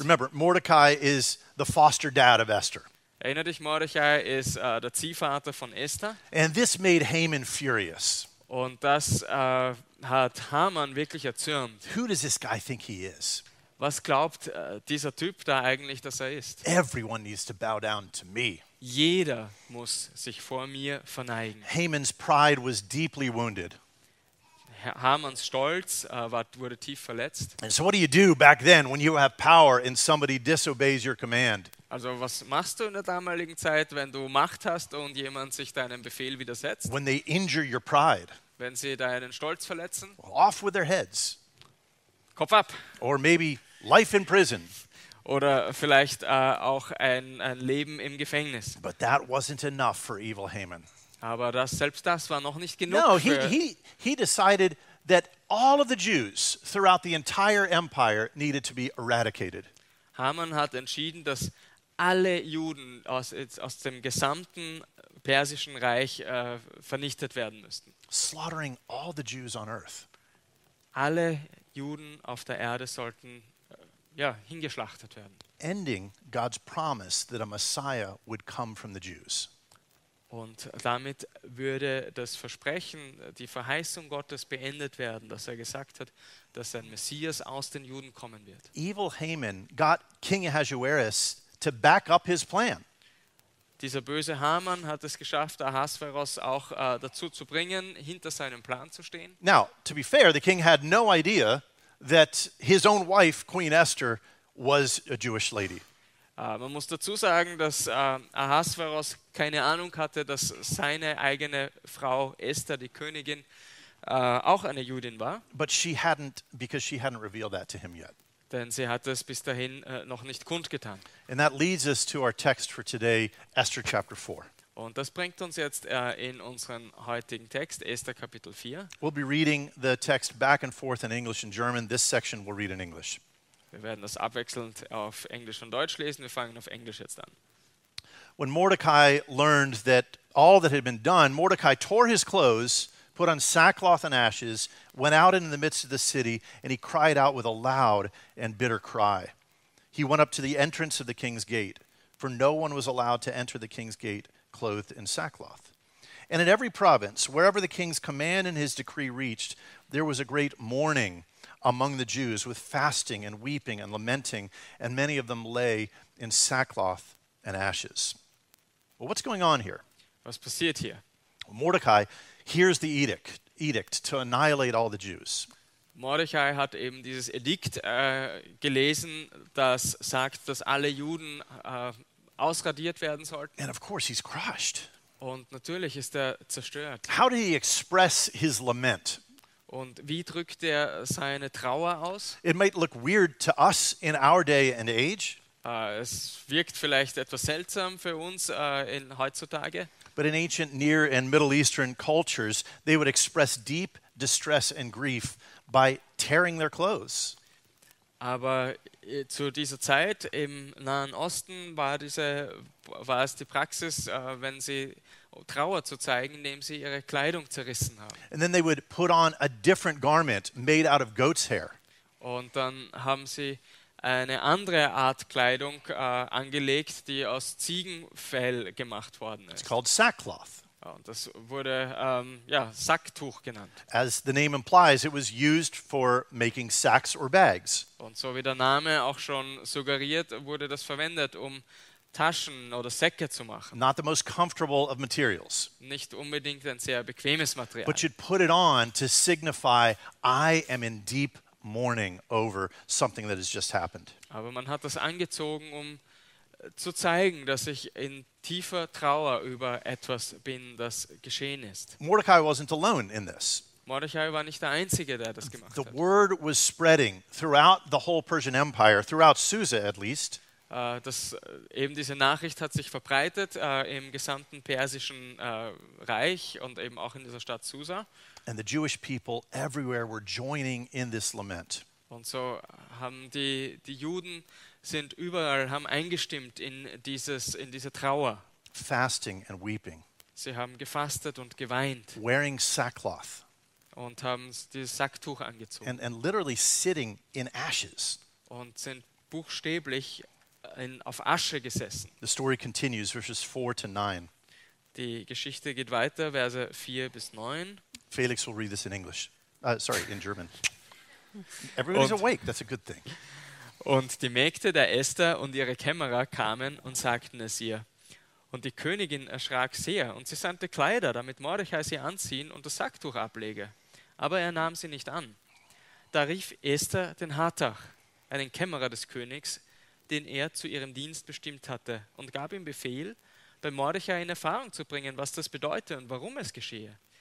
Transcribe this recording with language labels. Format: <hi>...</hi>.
<en>Remember, Mordecai is the foster dad of Esther.</en> <de>Erinnert dich, Mordecai ist der Ziehvater von Esther.</de> <en>And this made Haman furious.</en> <de>Und das hat Haman wirklich erzürnt.</de> <en>Who does this guy think he is?</en> <de>Was glaubt dieser Typ da eigentlich, dass er ist?</de> <en>Everyone needs to bow down to me.</en> <de>Jeder muss sich vor mir verneigen.</de> <en>Haman's pride was deeply wounded.</en> <de>Hamans Stolz wurde tief verletzt.</de> <en>And so what do you do back then when you have power and somebody disobeys your command?</en> <de>Also, was machst du in der damaligen Zeit, wenn du Macht hast und jemand sich deinem Befehl widersetzt?</de> <en>When they injure your pride.</en> <de>Wenn sie deinen Stolz verletzen?</de> <en>Off with their heads.</en> <de>Kopf ab.</de> <en>Or maybe life in prison.</en> <de>Oder vielleicht auch ein Leben im Gefängnis.</de> <en>But that wasn't enough for evil Haman.</en> <de>Aber das, selbst das war noch nicht genug.</de> <en>No, he decided that all of the Jews throughout the entire empire needed to be eradicated.</en> <de>Haman hat entschieden, dass alle Juden aus dem gesamten persischen Reich vernichtet werden müssten.</de> <en>Slaughtering all the Jews on earth.</en> <de>Alle Juden auf der Erde sollten hingeschlachtet werden.</de> <en>Ending God's promise that a Messiah would come from the Jews.</en> <de>Und damit würde das Versprechen, die Verheißung Gottes beendet werden, dass er gesagt hat, dass ein Messias aus den Juden kommen wird.</de> <en>Evil Haman got King Ahasuerus to back up his plan.</en> <de>Dieser böse Haman hat es geschafft, Ahasuerus auch dazu zu bringen, hinter seinem Plan zu stehen.</de> <en>Now, to be fair, the king had no idea that his own wife, Queen Esther, was a Jewish lady.</en> <de>Man muss dazu sagen, dass Ahasuerus keine Ahnung hatte, dass seine eigene Frau Esther, die Königin, auch eine Judin war.</de> <en>But she hadn't, because she hadn't revealed that to him yet.</en> <de>Denn sie hat es bis dahin noch nicht kundgetan.</de> <en>And that leads us to our text for today, Esther chapter 4.</en> <de>Und das bringt uns jetzt in unseren heutigen Text, Esther Kapitel 4.</de> <en>We'll be reading the text back and forth in English and German. This section we'll read in English.</en> <de>Wir werden das abwechselnd auf Englisch und Deutsch lesen. Wir fangen auf Englisch jetzt an.</de> <en>When Mordecai learned that all that had been done, Mordecai tore his clothes, put on sackcloth and ashes, went out into the midst of the city, and he cried out with a loud and bitter cry. He went up to the entrance of the king's gate, for no one was allowed to enter the king's gate clothed in sackcloth. And in every province, wherever the king's command and his decree reached, there was a great mourning among the Jews, with fasting and weeping and lamenting, and many of them lay in sackcloth and ashes. Well, what's going on here?</en> <de>Was passiert hier?</de> <en>Mordecai hears the edict to annihilate all the Jews.</en> <de>Mordecai hat eben dieses Edikt gelesen, das sagt, dass alle Juden ausradiert werden sollten.</de> <en>And of course he's crushed.</en> <de>Und natürlich ist zerstört.</de> <en>How did he express his lament?</en> <de>Und wie drückt seine Trauer aus?</de> <en>It might look weird to us in our day and age.</en> <de>Es wirkt vielleicht etwas seltsam für uns in heutzutage.</de> <en>But in ancient Near and Middle Eastern cultures, they would express deep distress and grief by tearing their clothes.</en> <de>Aber zu dieser Zeit im Nahen Osten war es die Praxis, wenn sie Trauer zu zeigen, indem sie ihre Kleidung zerrissen haben.</de> <en>And then they would put on a different garment made out of goat's hair.</en> <de>Und dann haben sie eine andere Art Kleidung angelegt, die aus Ziegenfell gemacht worden ist.</de> <en>It's called sackcloth.</en> <de>Und das wurde Sacktuch genannt.</de> <en>As the name implies, it was used for making sacks or bags.</en> <de>Und so wie der Name auch schon suggeriert, wurde das verwendet, um Taschen oder Säcke zu machen.</de> <en>Not the most comfortable of materials.</en> <de>Nicht unbedingt ein sehr bequemes Material.</de> <en>But you'd put it on to signify I am in deep mourning over something that has just happened.</en> <de>Aber man hat das angezogen, um zu zeigen, dass ich in tiefer Trauer über etwas bin, das geschehen ist.</de> <en>Mordecai wasn't alone in this.</en> <de>Mordecai war nicht der Einzige, der das gemacht hat.</de> <en>The word was spreading throughout the whole Persian Empire, throughout Susa at least.</en> <de>Diese Nachricht hat sich verbreitet im gesamten persischen Reich und eben auch in dieser Stadt Susa.</de> <en>And the Jewish people everywhere were joining in this lament.</en> <de>Und so haben die Juden sind überall haben eingestimmt in diese Trauer.</de> <en>Fasting and weeping.</en> <de>Sie haben gefastet und geweint.</de> <en>Wearing sackcloth.</en> <de>Und haben dieses Sacktuch angezogen.</de> <en>And literally sitting in ashes.</en> <de>Und sind buchstäblich auf Asche gesessen.</de> <en>The story continues, verses 4 to 9.</en> <de>Die Geschichte geht weiter, Verse 4 bis 9.</de> <en>Felix will read this in English. In German. Everybody's awake, that's a good thing.</en> <de>Und die Mägde der Esther und ihre Kämmerer kamen und sagten es ihr. Und die Königin erschrak sehr, und sie sandte Kleider, damit Mordechai sie anziehen und das Sacktuch ablege. aber er nahm sie nicht an. Da rief Esther den Hatach, einen Kämmerer des Königs, den er zu ihrem Dienst bestimmt hatte, und gab ihm Befehl, bei Mordechai in Erfahrung zu bringen, was das bedeute und warum es geschehe.</de>